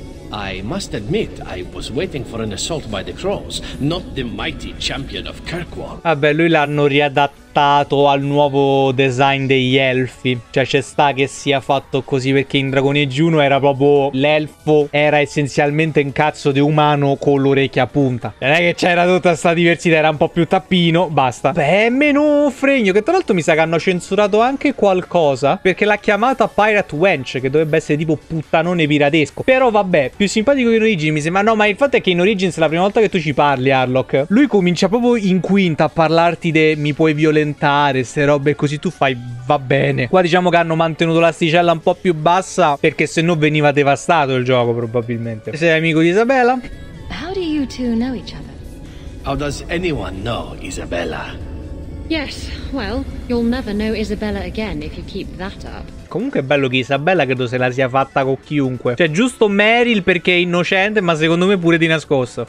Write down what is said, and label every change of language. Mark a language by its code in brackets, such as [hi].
[en] I must admit, I was waiting for an assault by the crows, not the mighty champion of Kirkwall. [it] Vabbè, lui l'hanno riadattato al nuovo design degli elfi. Cioè, c'è sta che sia fatto così, perché in Dragon Age 1 era proprio l'elfo, era essenzialmente un cazzo di umano con l'orecchia a punta. Non è che c'era tutta sta diversità, era un po' più tappino, basta. Beh, meno fregno, che tra l'altro mi sa che hanno censurato anche qualcosa, perché l'ha chiamata [en] Pirate Wench, [it] che dovrebbe essere tipo puttanone piratesco. Però vabbè, più simpatico in Origins, mi sembra. No, ma il fatto è che in Origins è la prima volta che tu ci parli, Harlock. Lui comincia proprio in quinta a parlarti de mi puoi violentare, ste robe così, tu fai va bene. Qua diciamo che hanno mantenuto l'asticella un po' più bassa, perché se no veniva devastato il gioco, probabilmente. Sei amico di Isabella? [en] How do you two know each other? How does anyone know Isabella? Yes, well, you'll never know Isabella again if you keep that up. [it] Comunque è bello che Isabella credo se la sia fatta con chiunque. Cioè, giusto Meryl perché è innocente, ma secondo me pure di nascosto.